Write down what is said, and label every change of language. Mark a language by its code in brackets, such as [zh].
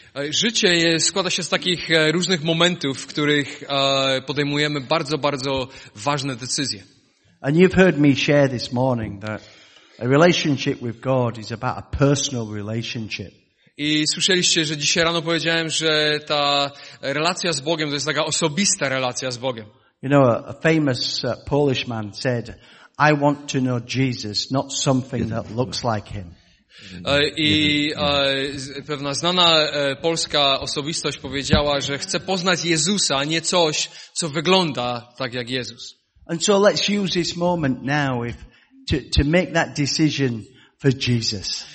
[pl] Życie składa się z takich różnych momentów, w których podejmujemy bardzo, bardzo ważne decyzje. [en] And you've heard me share this morning that a relationship with God is about a personal relationship. [pl] I słyszeliście, że dzisiaj rano powiedziałem, że ta relacja z Bogiem to jest taka osobista relacja z Bogiem. [en] You know, a famous Polish man said, I want to know Jesus, not something that looks like him. [pl] I pewna znana polska osobistość powiedziała, że chce poznać Jezusa, a nie coś, co wygląda tak jak Jezus. [en] And so let's use this moment now to make that decision for Jesus.